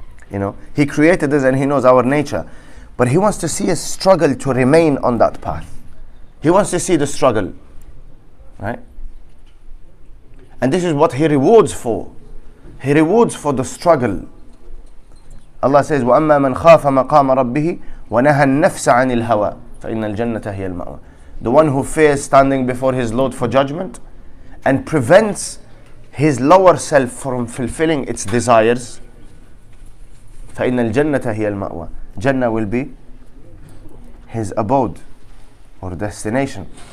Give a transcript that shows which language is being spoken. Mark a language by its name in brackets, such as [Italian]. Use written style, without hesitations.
[English] You know, He created us and He knows our nature. But He wants to see us struggle to remain on that path. He wants to see the struggle, right? And this is what He rewards for. He rewards for the struggle. [Arabic] Allah says, وَأَمَّا مَنْ خَافَ مَقَامَ رَبِّهِ وَنَهَى النَّفْسَ عَنِ الْهَوَى فَإِنَّ الْجَنَّةَ هِيَ الْمَأْوَى. [English] The one who fears standing before his Lord for judgment and prevents his lower self from fulfilling its desires, [Arabic] فَإِنَّ الْجَنَّةَ هِيَ الْمَأْوَى. [English] Jannah will be his abode or destination.